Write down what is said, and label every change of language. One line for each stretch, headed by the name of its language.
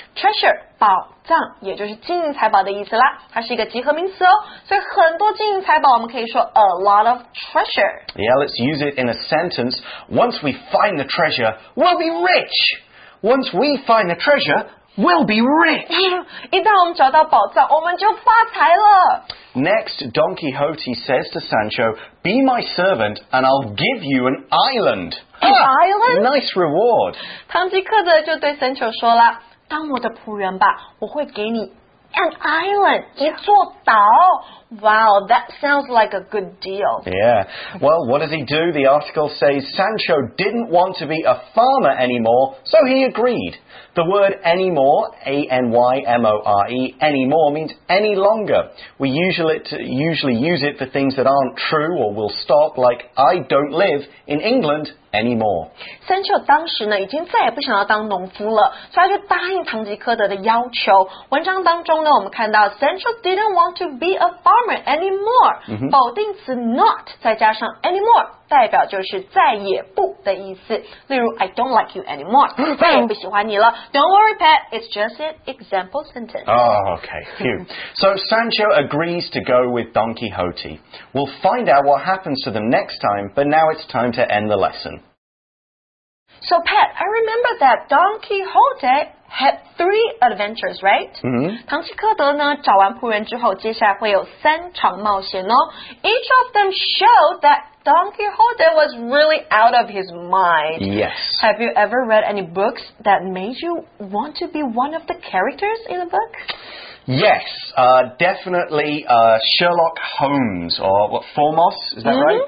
Chinese: Treasure, 宝藏，也就是金银财宝的意思啦。它是一个集合名词哦，所以很多金银财宝我们可以说
English: a lot of treasure. Yeah, let's use it in a sentence. Once we find the treasure, we'll be rich. Once we find the treasure, we'll be rich.
Chinese: 一旦我们找到宝藏，我们就发财了。
English: Next, Don Quixote says to Sancho, be my servant and I'll give you an island. An island? Nice reward.
Chinese: 唐吉诃德就对 Sancho 说了，当我的仆人吧，我会给你
English: an island,
Chinese: 一座岛。
English: Wow, that sounds like a good deal. Yeah. Well, what does he do? The article says Sancho didn't want to be a farmer anymore, so he agreed. The word anymore, A-N-Y-M-O-R-E, anymore means any longer. We usually use it for things that aren't true or will stop, like I don't live in England anymore.
Chinese: Sancho 当时呢已经再也不想要当农夫了，所以他就答应唐吉诃德的要求。文章当中呢，我们看到
English: Sancho didn't want to be a farmer anymore.
Chinese: 保定词 not 再加上 anymore 代表就是再也不的意思。例如
English: I don't like you anymore.
Chinese: 再也不喜欢你了。
English: Don't worry, Pat. It's just an example sentence. Oh, okay. So Sancho agrees to go with Don Quixote. We'll find out what happens to them next time, but now it's time to end the lesson. So Pat, I remember that Don Quixote... had three adventures, right?
Chinese: 唐吉诃德呢找完仆人之后，接下来会有三场冒险哦。
English: Each of them showed that Don Quixote was really out of his mind. Yes. Have you ever read any books that made you want to be one of the characters in a book? Yes, definitely Sherlock Holmes, or what, Formos, is that right?